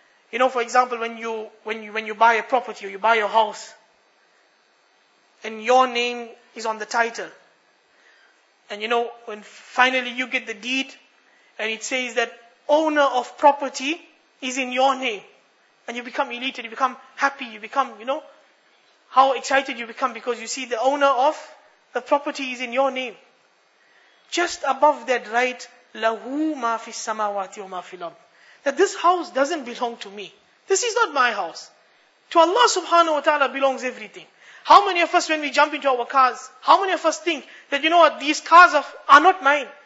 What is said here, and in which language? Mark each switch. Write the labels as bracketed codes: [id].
[en] You know, for example, when you buy a property or you buy a house and your name is on the title, and you know, when finally you get the deed and it says that owner of property is in your name, and you become elated, you become happy, you become, you know, how excited you become because you see the owner of the property is in your name. Just above that right, [ar] لَهُ مَا فِي السَّمَاوَاتِ وَمَا فِي الْأَرْضِ. [en] That this house doesn't belong to me. This is not my house. To Allah subhanahu wa ta'ala belongs everything. How many of us when we jump into our cars, how many of us think that you know what, these cars are not mine.